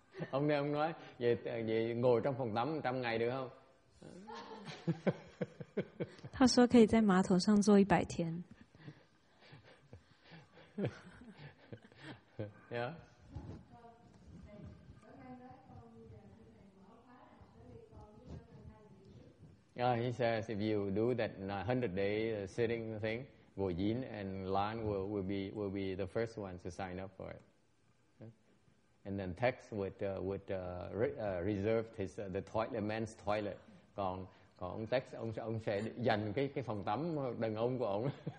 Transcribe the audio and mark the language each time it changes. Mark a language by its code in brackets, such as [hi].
[vi] Ông nghe ông nói, vậy ngồi trong phòng tắm 100 ngày được không? [zh] 他说可以在马桶上坐100天. [en] Yeah. Yeah, he says if you do that 100 day sitting thing, Bo Yin and Lan will be the first ones to sign up for it, and then Tex would reserve the men's toilet. [vi] Còn ông Tex ông sẽ dành cái phòng tắm đàn ông của ông.